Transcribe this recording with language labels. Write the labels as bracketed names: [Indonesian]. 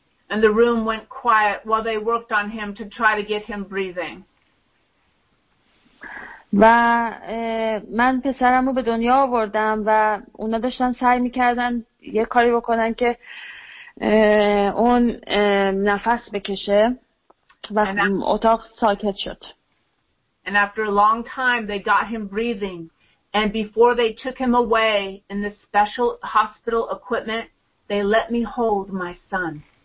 [English] And the room went quiet while they worked on him to try to get him breathing. [Persian] و من پسرمو به دنیا آوردم و اونا داشتن سعی می‌کردن یه کاری بکنن که اون نفس بکشه و اتاق ساکت شد. [English] And after a long time they got him breathing, and before they took him away in the special hospital equipment, they let me hold my son.